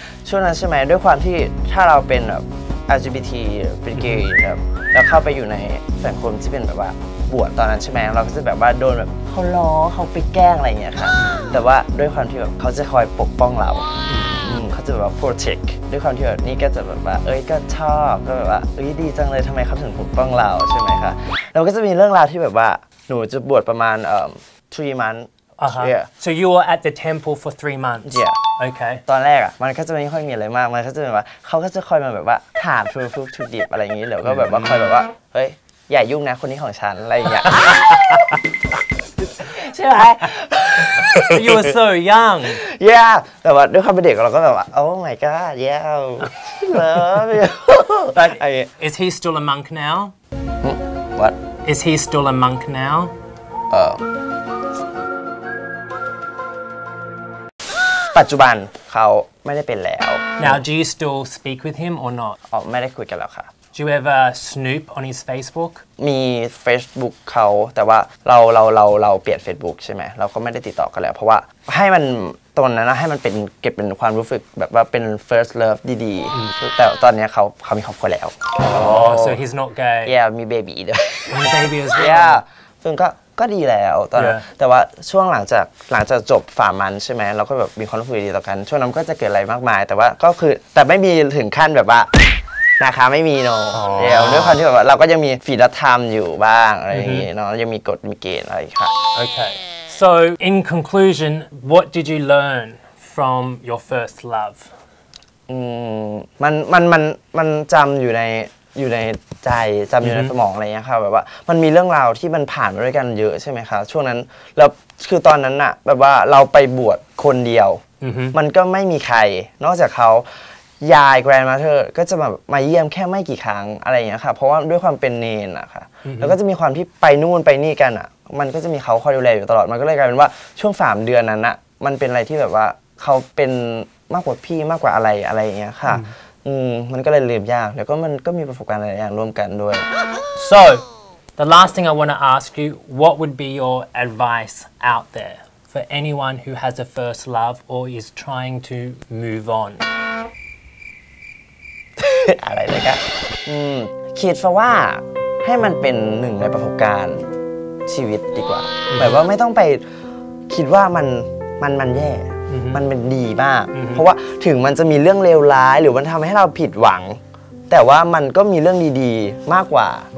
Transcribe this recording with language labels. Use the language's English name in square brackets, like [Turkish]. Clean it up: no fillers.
[Thai] ช่วงนั้นใช่ไหมด้วยความที่ถ้าเราเป็นแบบ LGBT เป็นเกย์แบบแล้วเข้าไปอยู่ในสังคมที่เป็นแบบว่าบวชตอนนั้นใช่ไหมเราก็จะแบบว่าโดนแบบเขาล้อเขาไปแกล้งอะไรอย่างเงี้ยค่ะแต่ว่าด้วยความที่แบบเขาจะคอยปกป้องเราเขาจะแบบ protect ด้วยความที่แบบนี่ก็จะแบบว่าเอ้ยก็ชอบก็แบบว่าเอ้ยดีจังเลยทำไมเขาถึงปกป้องเราใช่ไหมคะเราก็จะมีเรื่องราวที่แบบว่าหนูจะบวชประมาณ [English] 3 months Uh-huh. Yeah. So you were at the temple for 3 months. Yeah. Okay. [Thai] ตอนแรกอ่ะมันก็จะไม่ค่อยมีอะไรมากมันก็จะแบบว่าเขาก็จะคอยมาแบบว่าถามทุกทุกดิบอะไรอย่างนี้แล้วก็แบบว่าคอยแบบว่าเฮ้ยอย่ายุ่งนะคนนี้ของฉันอะไรอย่างเงี้ยใช่ไหม [English] You were so young. Yeah. [Thai] แต่ว่าด้วยความเป็นเด็กเราก็แบบว่า [English] Oh my God. Yeah. Love you. But is he still a monk now? What? Is he still a monk now? [Thai] ปัจจุบันเขาไม่ได้เป็นแล้ว [English] Now do you still speak with him or not? [Thai] อ๋อไม่ได้คุยกันแล้วค่ะ [English] Do you ever snoop on his Facebook? [Thai] มี Facebook เขาแต่ว่าเราเปลี่ยน Facebook ใช่ไหมเราก็ไม่ได้ติดต่อกันแล้วเพราะว่าให้มันตอนนั้นนะให้มันเป็นเก็บเป็นความรู้สึกแบบว่าเป็น first love ดีๆแต่ตอนนี้เขามีครอบครัวแล้ว [English] Oh so he's not gay? [Thai] Yeah มี baby ด้วย [English] มี baby as well [Thai] Yeah ซึ่งก็ดีแล้วตอน yeah. แต่ว่าช่วงหลังจากจบฝ่ามันใช่ไหมเราก็แบบมีความคุยดีต่อกันช่วงนั้นก็จะเกิดอะไรมากมายแต่ว่าก็คือแต่ไม่มีถึงขั้นแบบว่านะคะไม่มีโน้เดี๋ยวด้วยความที่แบบว่าเราก็ยังมีฟีดธรรมอยู่บ้างอะไรอย่างงี้เนาะยังมีกฎมีเกณฑ์อะไรค่ะ [English] โอเค so in conclusion what did you learn from your first love [Thai] มันจำอยู่ในใจจำอยู่ในสมองอะไรเงี้ยค่ะแบบว่ามันมีเรื่องราวที่มันผ่านมาด้วยกันเยอะใช่ไหมคะช่วงนั้นแล้วคือตอนนั้นน่ะแบบว่าเราไปบวชคนเดียวมันก็ไม่มีใครนอกจากเขา ยายแกรนด์มาเธอร์ก็จะมาเยี่ยมแค่ไม่กี่ครั้งอะไรเงี้ยค่ะเพราะว่าด้วยความเป็นเนนอะค่ะแล้วก็จะมีความที่ไปนู่นไปนี่กันอะมันก็จะมีเขาคอยดูแลอยู่ตลอดมันก็เลยกลายเป็นว่าช่วง3 เดือนนั้นน่ะมันเป็นอะไรที่แบบว่าเขาเป็นมากกว่าพี่มากกว่าอะไรเงี้ยค่ะมันก็เลยลืมยากแล้วก็มันก็มีประสบการณ์หลายอย่างร่วมกันด้วย [English] So the last thing I want to ask you what would be your advice out there for anyone who has a first love or is trying to move on [Thai] อะไรเลยครับคิดซะว่าให้มันเป็นหนึ่งในประสบการณ์ชีวิตดีกว่าแบบว่าไม่ต้องไปคิดว่ามันแย่มันเป็นดีมากเพราะว่าถึงมันจะมีเรื่องเลวร้ายหรือมันทำให้เราผิดหวังแต่ว่ามันก็มีเรื่องดีๆมากกว่า